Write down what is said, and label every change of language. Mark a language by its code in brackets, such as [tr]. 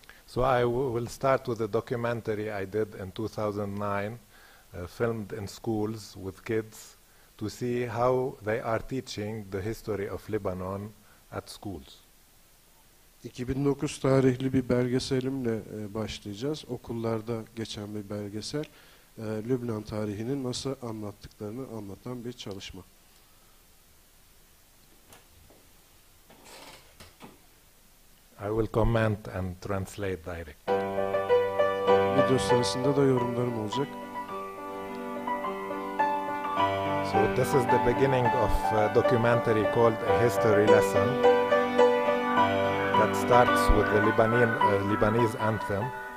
[en] So I will start with a documentary I did in 2009, filmed in schools with kids to see how they are teaching the history of Lebanon at schools. [tr] 2009 tarihli bir belgeselimle başlayacağız. Okullarda geçen bir belgesel. Lübnan tarihini nasıl anlattıklarını anlatan bir çalışma. [en] I will comment and translate directly. [tr] Video sırasında da yorumlarım olacak. [en] So this is the beginning of a documentary called A History Lesson. That starts with the Lebanese anthem.